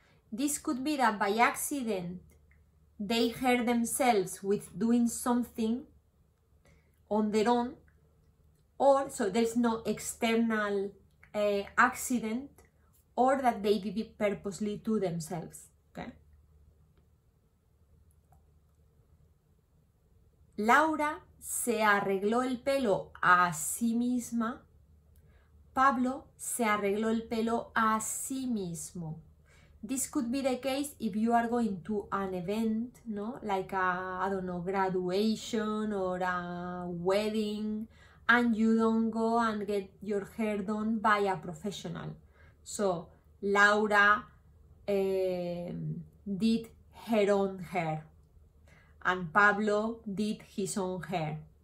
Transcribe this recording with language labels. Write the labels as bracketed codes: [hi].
[en] This could be that by accident they hurt themselves with doing something on their own, or so there's no external accident, or that they did it purposely to themselves. Okay. [es] Laura se arregló el pelo a sí misma. Pablo se arregló el pelo a sí mismo. [en] This could be the case if you are going to an event, no? Like a, I don't know, graduation or a wedding, and you don't go and get your hair done by a professional. So, Laura did her own hair, and Pablo did his own hair.